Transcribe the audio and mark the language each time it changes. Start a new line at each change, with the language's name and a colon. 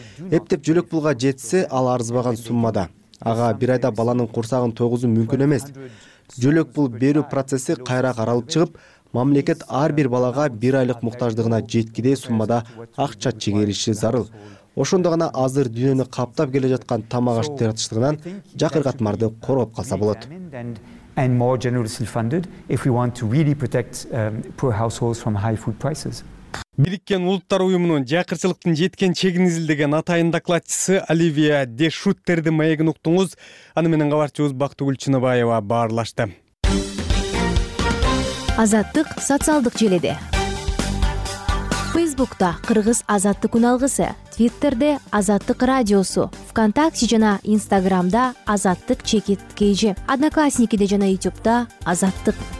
Kyrgyz: Эптеп жүлөк пулга жетсе, ал арызбаган суммада. Ага бир айда баланын курсагын тойгузуу мүмкүн эмес. Жүлөк пул берүү процесси кайра каралып чыгып, мамлекет ар бир балага бир айлык муктаждыгына жеткидей суммада акча чегериши зарыл. Ошондо гана азыр дүйнөнү каптап келе жаткан тамак аш тартыштыгынан жакыргатмарды коргоп калса болот.
English: And more generously funded if we want to really protect poor households from high food prices.
Kyrgyz: Бириккен улуттар уюмунун жакырчылыктын жеткен чегин изилдеген атайын докладчысы Оливия де Шуттерди маегин уктуңуз. Аны менен кабарчыбыз Бактыгүл Чыныбаева баарлашты. Азаттык социалдык желеде. Фейсбукта Кыргыз Азаттык Уналгысы, Твиттерде Азаттык Радиосу, ВКонтакте жана Инстаграмда Азаттык Чекит Кейжи, Одноклассникиде жана Ютубта Азаттык.